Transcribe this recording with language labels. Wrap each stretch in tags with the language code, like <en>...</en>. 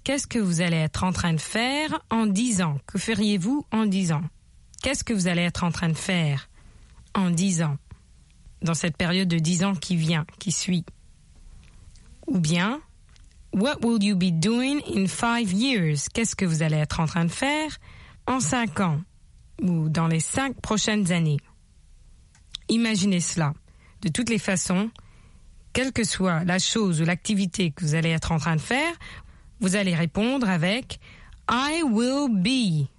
<fr>Qu'est-ce que vous allez être en train de faire en 10 ans? Que feriez-vous en 10 ans? Qu'est-ce que vous allez être en train de faire en 10 ans? Dans cette période de 10 ans qui vient, qui suit. Ou bien,</fr> <en>what will you be doing in 5 years?</en> <fr>Qu'est-ce que vous allez être en train de faire en 5 ans? Ou dans les 5 prochaines années? Imaginez cela. De toutes les façons, quelle que soit la chose ou l'activité que vous allez être en train de faire, vous allez répondre avec</fr> <en>I will be.</en>